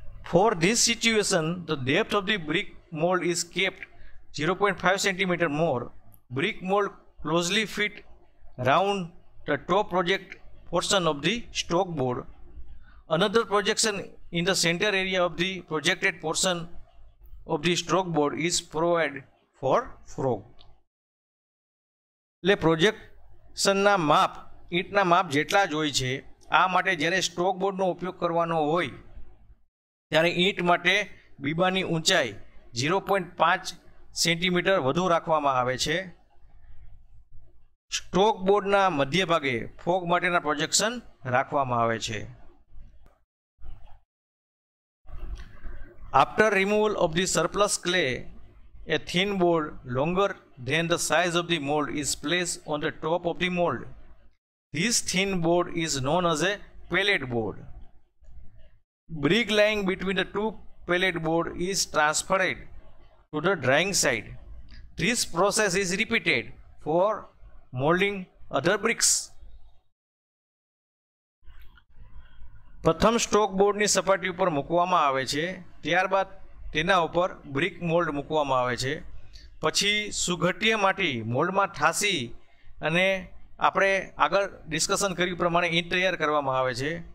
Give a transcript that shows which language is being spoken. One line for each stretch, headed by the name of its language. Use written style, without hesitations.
English: For this situation the depth of the brick mould is kept 0.5 centimetre more. Brick mould closely fit round the top project portion of the stroke board. Another projection in the center area of the projected portion of the stroke board is provided for frog.
Gujarati: Le projection na map ઈટ ના માપ જેટલા જ હોય છે. આ માટે જ્યારે stroke બોર્ડનો ઉપયોગ કરવાનો હોય ત્યારે ઈંટ માટે બીબાની ઊંચાઈ 0.5 સેન્ટીમીટર વધુ રાખવામાં આવે છે. સ્ટ્રોક બોર્ડના મધ્ય ભાગે ફોગ માટેના પ્રોજેક્શન રાખવામાં આવે છે.
English: After removal of the surplus clay a thin board longer than the size of the mould is place on the top of the mould. This thin board is known as a pellet board. Brick lying between the two pellet board is transferred to the drying side. This process is repeated for molding other bricks.
Gujarati: પ્રથમ stroke બોર્ડની સપાટી ઉપર મૂકવામાં આવે છે, ત્યારબાદ તેના ઉપર બ્રિક મોલ્ડ મૂકવામાં આવે છે, પછી સુઘટ્ય માટી મોલ્ડમાં ઠાસી અને આપણે આગળ ડિસ્કશન કર્યું પ્રમાણે ઈંટ તૈયાર કરવામાં આવે છે.